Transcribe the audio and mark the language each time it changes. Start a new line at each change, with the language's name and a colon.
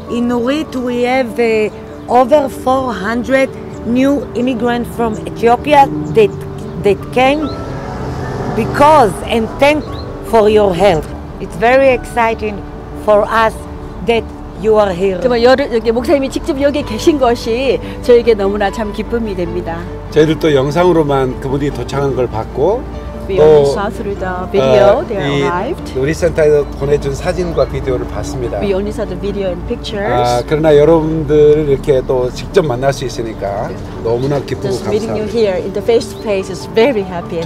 English: In Nurit we have over 400 new immigrants from Ethiopia that came because and thank for your help. It's very exciting for us that you are here.
Korean: 정말 여기 목사님이 직접 여기 계신 것이 저에게 너무나 참 기쁨이 됩니다. 저희들 또 영상으로만 그분이 도착한 걸 봤고
English: We only saw through the video they arrived.
Korean: 우리 센터에서 보내준 사진과 비디오를 봤습니다.
English: We only saw the video and pictures. 아,
Korean: 그러나 여러분들을 이렇게 또 직접 만날 수 있으니까 너무나 기쁘고
English: Just
Korean: 감사합니다.
English: Just meeting you here in the face to face is very happy and